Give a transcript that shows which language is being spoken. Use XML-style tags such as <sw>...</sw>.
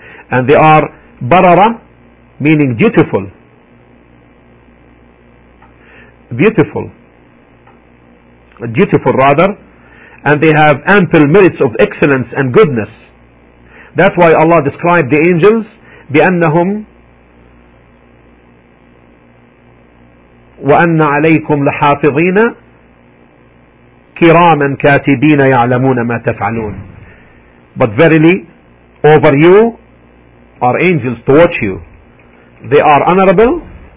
<en>And they are barara, meaning dutiful, and they have ample merits of excellence and goodness. That's why Allah described the angels</en> <ar>بأنهم وأن عليكم لحافظين كراما كاتبين يعلمون ما تفعلون.</ar> <en>But verily, over you are angels to watch you. They are honorable.</en>